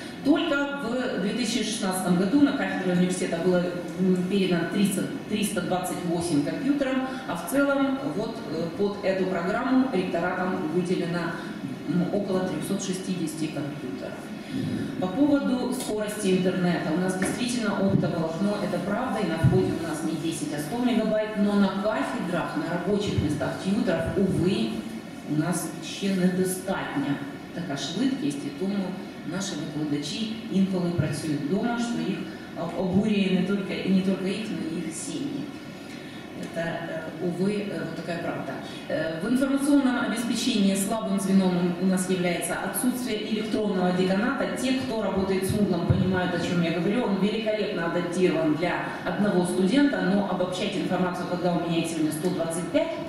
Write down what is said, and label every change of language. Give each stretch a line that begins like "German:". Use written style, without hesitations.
Russian: Только в 2016 году на кафедру университета было передано 328 компьютеров, а в целом вот под эту программу ректоратам выделено около 360 компьютеров. По поводу скорости интернета, у нас действительно оптоволокно, это правда, и на входе у нас не 10, а 100 мегабайт, но на кафедрах, на рабочих местах тьютеров, увы, у нас еще недостатня.
Ukrainian: Так а швидкість, тому наши викладачі інколи працюють дома,
Russian: что их обурює не только их, но и их семьи. Это, увы, вот такая правда. В информационном обеспечении слабым звеном у нас является отсутствие электронного деканата. Те, кто работает с Moodle, понимают, о чем я говорю. Он великолепно адаптирован для одного студента, но обобщать информацию, когда у меня есть сегодня 125